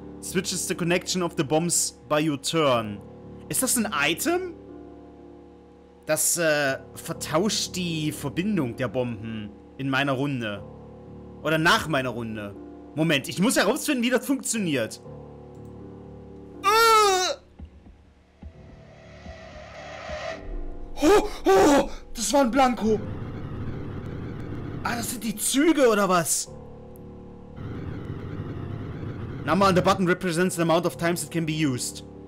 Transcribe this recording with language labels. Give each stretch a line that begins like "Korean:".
English: Switches the connection of the bombs by your turn.
German: Ist das ein Item? Das vertauscht die Verbindung der Bomben in meiner Runde. Oder nach meiner Runde. Moment, ich muss herausfinden, wie das funktioniert. Oh, oh, das war ein Blanko. Ah, das sind die Züge oder was?
English: Number on the button represents the amount of times it can be used.